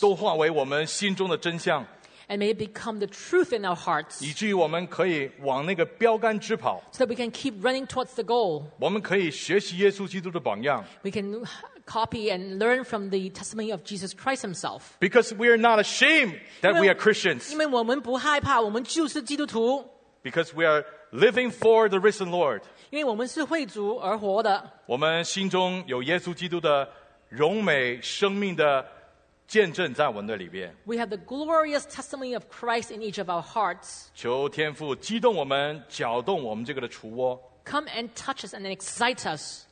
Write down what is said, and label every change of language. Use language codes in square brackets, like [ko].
[zh] 都化为我们心中的真相， [en] and may it become the truth in our hearts, [zh] 以至于我们可以往那个标杆直跑， [en] so that we can keep running towards the goal. [zh] 我们可以学习耶稣基督的榜样， [en] we can copy and learn from the testimony of Jesus Christ himself. Because we are not ashamed that we are Christians. [zh] 因为我们不害怕，我们就是基督徒。 [en] Because we are living for the risen Lord. [zh] 因为我们是为主而活的。我们心中有耶稣基督的荣美生命的见证在我们的里边。 [en] We have the glorious testimony of Christ in each of our hearts. [zh] 求天父激动我们，搅动我们这个的雏窝。 [en] Come and touch us and excite us and shake us up.